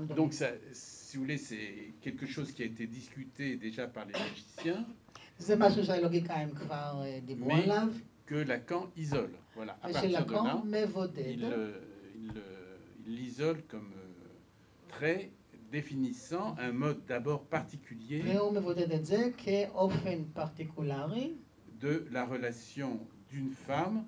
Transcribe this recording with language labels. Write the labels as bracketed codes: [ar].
[fr] Donc, ça, si vous voulez, c'est quelque chose qui a été discuté déjà par les logiciens. [he] זה משהו שהלוגיקה הם כבר דיברו [fr] Mais [he] עליו. [fr] Que Lacan isole. Voilà. [he] ושלקן מבודד. [fr] Il l'isole comme très définissant un mode d'abord particulier. [he] והוא מבודד את זה כאופן פרטיקולרי. [fr] De la relation d'une femme.